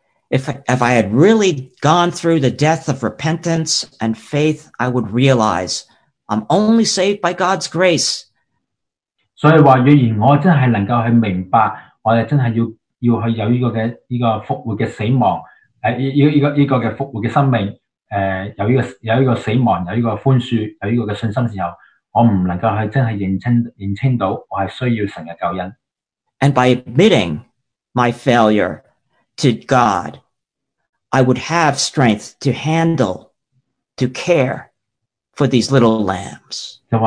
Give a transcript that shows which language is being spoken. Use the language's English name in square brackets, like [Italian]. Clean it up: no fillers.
[English] If I had really gone through the death of repentance and faith, I would realize I'm only saved by God's grace. [Chinese] 所以若然我真的能夠去明白,我真的要有這個復活的死亡,有這個死亡,有這個寬恕,有這個信心的時候,我不能夠真的認清到我是需要神的救恩。 [English] And by admitting my failure to God, I would have strength to handle, to care for these little lambs.